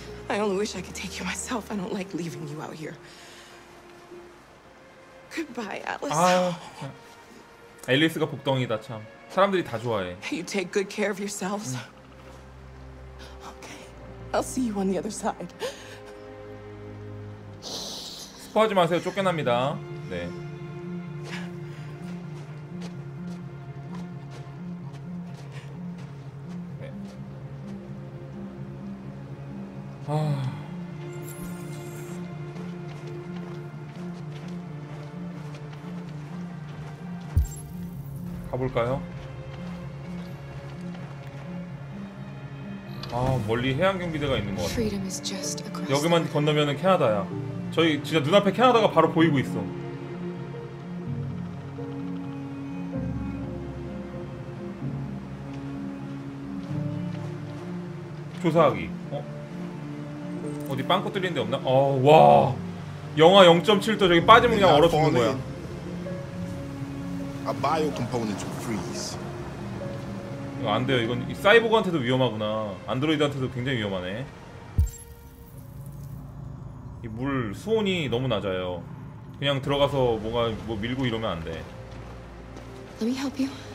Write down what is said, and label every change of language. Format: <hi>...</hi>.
<en>I only wish I could take you myself. I don't like leaving you out here. Goodbye, Alice.</en> <ko>아, 앨리스가 복덩이다 참. 사람들이 다 좋아해.</ko> <en>You take good care of yourselves. Okay. I'll see you on the other side.</en> <ko>스포하지 마세요. 쫓겨납니다. 네. 가볼까요? 아, 멀리 해양경비대가 있는 것 같아. 여기만 건너면은 캐나다야. 저희 진짜 눈앞에 캐나다가 바로 보이고 있어. 조사하기. 어? 어디 빵꾸 뚫리는 데 없나? 어, 와, 영하 0.7도 저기 빠지면 그냥 얼어 죽는 거야.</ko> <en>A bio component to freeze.</en> <ko>이거 안 돼요. 이건 이 사이보그한테도 위험하구나. 안드로이드한테도 굉장히 위험하네. 이 물 수온이 너무 낮아요. 그냥 들어가서 뭔가 뭐 밀고 이러면 안 돼.</ko> <en>Let me help you.</en>